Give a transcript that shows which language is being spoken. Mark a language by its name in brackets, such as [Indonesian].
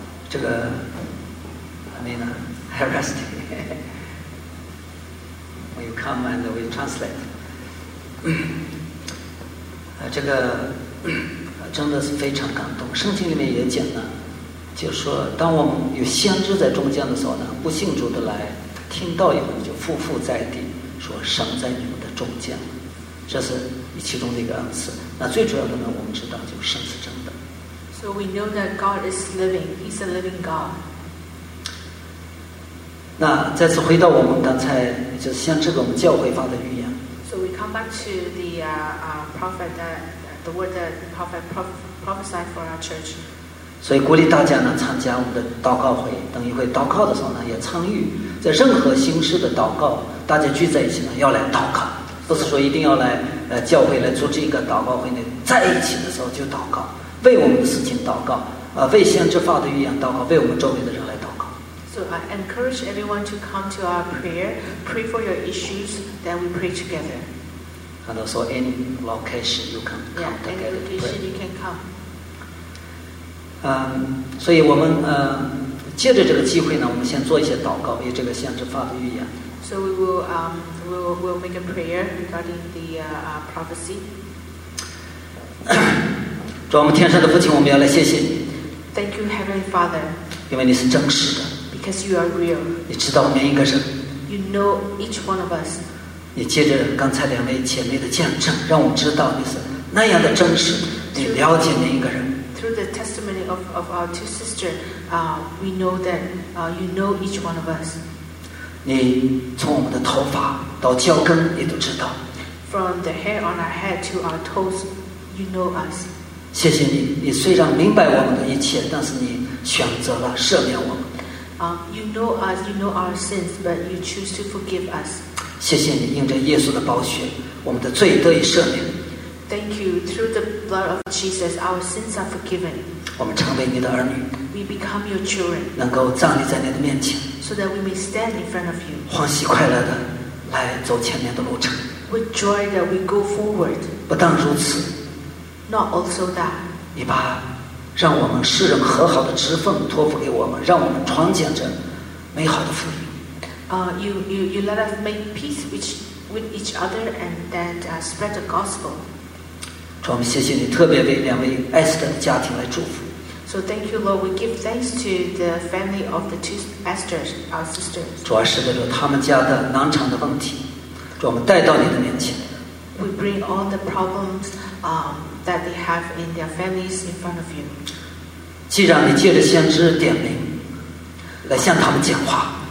[Chinese] 这个Amina Harasti [English] Will you come and will translate [Chinese] 这个真的是非常感动。圣经里面也讲呢，就是说当我们有先知在中间的时候呢，不信主的来听到以后就伏伏在地说神在你们的中间，这是其中的一个恩赐。那最主要的呢，我们知道就是神是真的。 [English] So we know that God is living, He's a living God. [Chinese] 那再次回到我们刚才就是先知给我们教会发的预言。 [English] So we come back to the prophet that,the word that the prophet prophesied for our church. [Chinese] 所以鼓励大家呢参加我们的祷告会，等一会祷告的时候呢也参与，在任何形式的祷告大家聚在一起呢要来祷告，不是说一定要来教会来组织一个祷告会，在一起的时候就祷告，为我们的事情祷告，为先知发的预言祷告，为我们周围的人来祷告。 [English] So I encourage everyone to come to our prayer, pray for your issues, then we pray together. And also any location you can come together. Yeah, any location you can come. So we will, we'll make a prayer regarding the prophecy. [Chinese] 主我们天上的父亲，我们要来谢谢你。 [English] Thank you, Heavenly Father. [Chinese] 因为你是真实的。 [English] Because you are real. [Chinese] 你知道我们一个人。 [English] You know each one of us. [Chinese] 你借着刚才两位姐妹的见证，让我知道你是那样的真实，你了解每一个人。 [English] Through the testimony of our two sisters, we know that you know each one of us. [Chinese] 你从我们的头发到脚跟，你都知道。 [English] From the hair on our head to our toes, you know us. [Chinese] 谢谢你，你虽然明白我们的一切，但是你选择了赦免我们。 [English] You know us, you know our sins, but you choose to forgive us. [Chinese] 谢谢你，因着耶稣的宝血，我们的罪得以赦免。 [English] Thank you, through the blood of Jesus, our sins are forgiven. [Chinese] 我们成为你的儿女。 [English] We become your children. [Chinese] 能够站立在你的面前。 [English] So that we may stand in front of you. [Chinese] 欢喜快乐的来走前面的路程。 [English] With joy that we go forward. [Chinese] 不但如此。 [English] Not also that. [Chinese] 你把让我们世人和好的职分托付给我们，让我们传讲着美好的福音。 [English] You let us make peace with each other and then spread the gospel. [Chinese] 主，我们谢谢你特别为两位 Esther 的家庭来祝福。 [English] So thank you, Lord. We give thanks to the family of the two pastors, our sisters. [Chinese] 主啊，是为了他们家的囊肠的问题，主，我们带到你的面前。 [English] We bring all the problems, that they have in their families in front of you. [Chinese] 既然你借着先知点名来向他们讲话。